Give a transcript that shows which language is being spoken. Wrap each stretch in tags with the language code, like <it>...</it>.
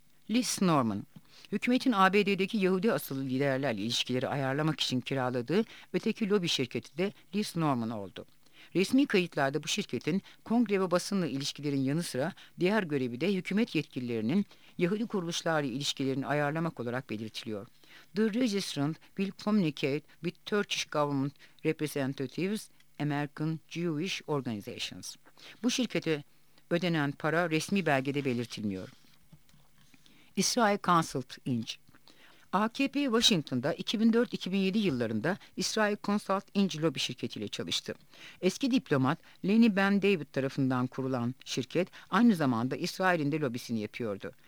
<tr>Liz Norman, hükümetin ABD'deki Yahudi asıllı liderlerle ilişkileri ayarlamak için kiraladığı öteki lobi şirketi de Liz Norman oldu. Resmi kayıtlarda bu şirketin kongre ve basınla ilişkilerin yanı sıra diğer görevi de hükümet yetkililerinin Yahudi kuruluşlarla ilişkilerini ayarlamak olarak belirtiliyor.</tr> <en>The registrant will communicate with Turkish government representatives, American Jewish organizations.</en> <tr>Bu şirkete ödenen para resmi belgede belirtilmiyor. Israel Consult Inc. AKP Washington'da 2004-2007 yıllarında İsrail Consult Inc. Lobby şirketiyle çalıştı. Eski diplomat Lenny Ben David tarafından kurulan şirket aynı zamanda İsrail'in de lobisini yapıyordu.</tr>